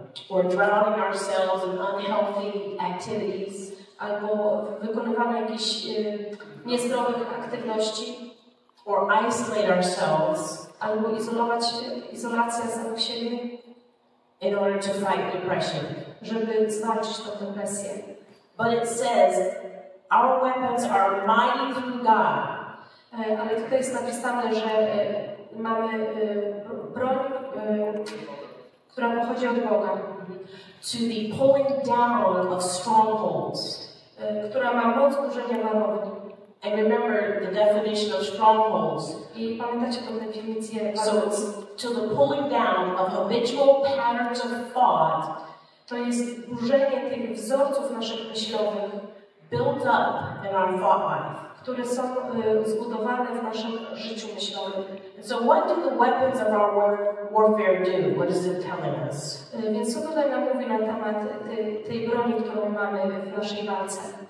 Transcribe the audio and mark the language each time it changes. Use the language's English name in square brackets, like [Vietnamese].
[English] or drowning ourselves in unhealthy activities, [Polish] albo wykonywanie jakichś niezdrowych aktywności, [English] or isolate ourselves, [Polish] albo izolacja samych siebie, [English] in order to fight depression, [Polish] żeby zwalczyć tą depresję. [English] But it says, our weapons are mighty through God. [Polish] Ale tutaj jest napisane, że mamy broń, która pochodzi od Boga. [English] To the pulling down of strongholds. [Polish] Która ma moc burzenia warowni. [English] And remember the definition of strongholds. [Polish] I pamiętacie tą definicję? [English] So it's to the pulling down of habitual patterns of thought. [Polish] To jest burzenie tych wzorców naszych myślowych. [English] Built up in our thought life. [Polish] Które są zbudowane w naszym życiu myślowym. [English] So what do the weapons of our warfare do? What is it telling us? [Polish] Więc co tutaj nam mówi na temat tej broni, którą mamy w naszej walce?